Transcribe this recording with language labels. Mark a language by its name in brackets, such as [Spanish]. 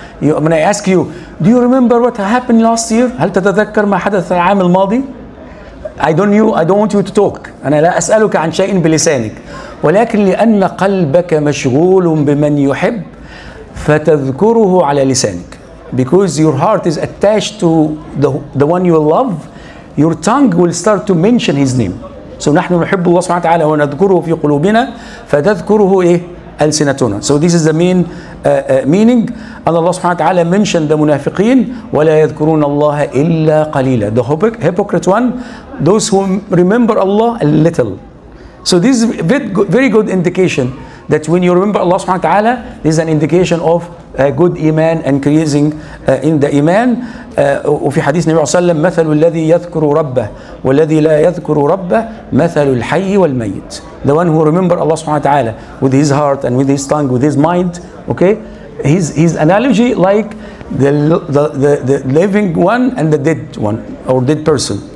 [English] When I ask you, do you remember what happened last year? [Arabic] هل تتذكر ما حدث العام الماضي؟ [English] I don't want you to talk. [Arabic] أنا لا أسألك عن شيء بلسانك, ولكن لأن قلبك مشغول بمن يحب فتذكره على لسانك. [English] Because your heart is attached to the one you love, your tongue will start to mention his name. [Arabic] So نحن نحب الله سبحانه وتعالى ونذكره في قلوبنا, فتذكره إيه؟ ألسنتنا. [English] So this is the main meaning. [Arabic] أن الله سبحانه وتعالى [English] mentioned the [Arabic] منافقين ولا يذكرون الله إلا قليلا. [English] The hypocrite one, those who remember Allah a little. So this is very good indication that when you remember Allah سبحانه وتعالى, this is an indication of good iman, increasing in the iman. [Arabic] وفي حديث النبي صلى الله عليه وسلم: مثل الذي يذكر ربه والذي لا يذكر ربه مثل الحي والميت. [English] The one who remember Allah سبحانه وتعالى with his heart and with his tongue, with his mind, okay, his analogy like the living one and the dead one or dead person.